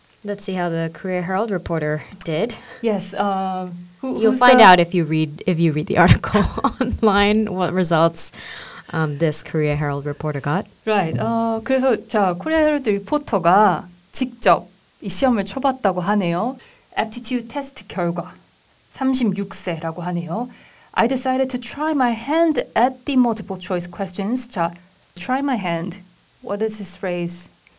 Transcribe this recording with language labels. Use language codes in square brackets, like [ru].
[en] let's see how the Korea Herald reporter did. Yes, you'll find out if you read the article online what results this Korea Herald reporter got. Right. [ko] 그래서 자, 코리아 헤럴드 리포터가 직접 이 시험을 쳐봤다고 하네요. [en] Aptitude test [ko] 결과 36세라고 하네요. [en] I decided to try my hand at the multiple choice questions. [ko] 자, [en] try my hand. What is this phrase?